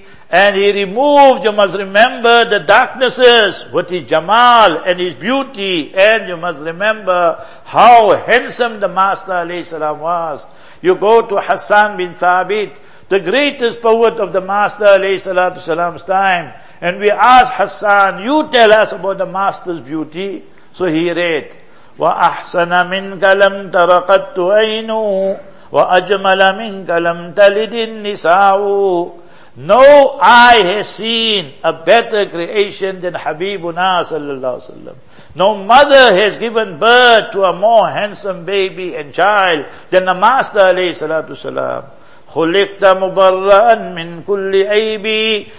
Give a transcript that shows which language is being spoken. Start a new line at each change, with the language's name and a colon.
English: And he removed, you must remember, the darknesses with his jamal and his beauty. And you must remember how handsome the Master alayhi salam was. You go to Hassan bin Thabit, the greatest poet of the Master alayhi salatu salam's time. And we ask Hassan, you tell us about the Master's beauty. So he read,
Arabic: وَأَحْسَنَ مِنْكَ لَمْ تَرَقَتْتُ أَيْنُ وَأَجْمَلَ مِنْكَ لَمْ تَلِدِ النِّسَاءُ.
English: No eye has seen a better creation than Habibuna sallallahu alayhi wa sallam. No mother has given birth to a more handsome baby and child than the Master alayhi salatu salam.
Arabic: خُلِقْتَ مُبَرَّأً مِنْ كُلِّ عَيْبِ.